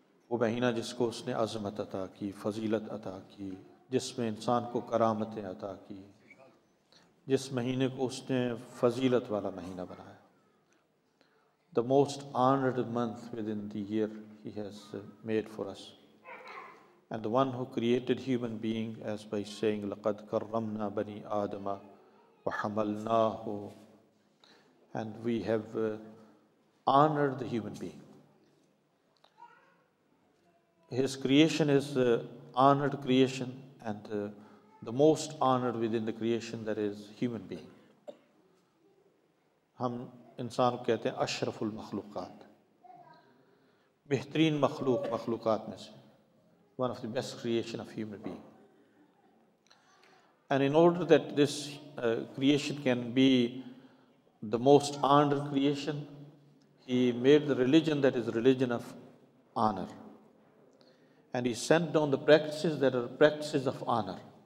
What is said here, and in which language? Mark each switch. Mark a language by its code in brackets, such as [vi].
[ur] وہ مہینہ جس کو اس نے عظمت عطا کی، فضیلت عطا کی، جس میں انسان کو کرامتیں عطا کی، جس مہینے کو اس نے فضیلت والا مہینہ بنایا. [en] The most honored month within the year He has made for us. And the one who created human being, as by saying [ar] لَقَدْ كَرَّمْنَا بَنِي آدَمَ وَحَمَلْنَاهُ, [en] and we have honored the human being. His creation is honored creation, and the most honored within the creation that is human being. [ur] ہم انسان کو کہتے ہیں اشرف المخلوقات، بہترین مخلوق مخلوقات میں سے. [en] One of the best creation of human being. And in order that this creation can be the most honored creation, He made the religion that is religion of honor. And He sent down the practices that are practices of honor.